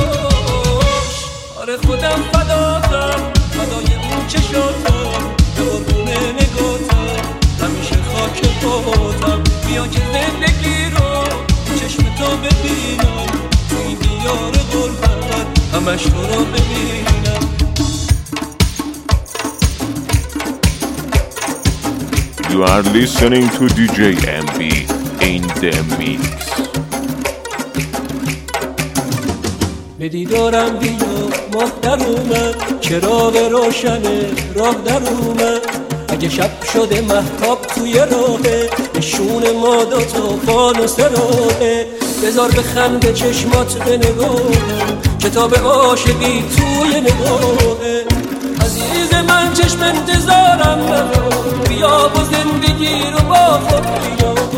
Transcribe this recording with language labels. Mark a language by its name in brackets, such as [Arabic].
[Persian] فداتم فدای اون چشاتم به قربونه نگاتم همیشه خاک باتم بیا که زندگی رو چشم تو ببینم تو این دیار غربت همش تو رو ببینم [English] You are listening to DJ MB in the mix. [Persian] به دیدارم بیا ماه در اومد چراغ روشن راه در اومد اگه شب شده مهتاب توی راهه نشون ما دوتا فان و سراهه بذار بخنده چشمات به نگاهه کتاب عاشقی توی نگاهه عزیز من چشم انتظارم من بیا با زندگی رو با خود بیا